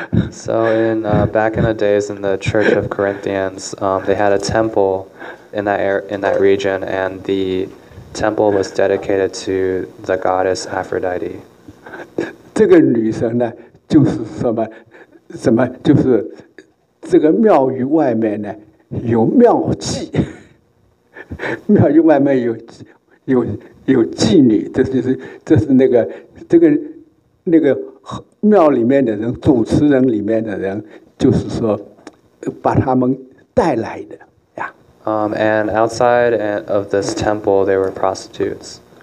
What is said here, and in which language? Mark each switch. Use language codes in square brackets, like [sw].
[en] So in back in the days in the Church of Corinthians, they had a temple in that region, and the temple was dedicated to the goddess Aphrodite. [zh] 这个女神呢，就是什么，就是这个庙宇外面呢有庙妓，庙宇外面有妓女，这是那个这个那个庙里面的人，主持人里面的人，就是说把他们带来的呀。 [en] And outside of this temple, there were prostitutes.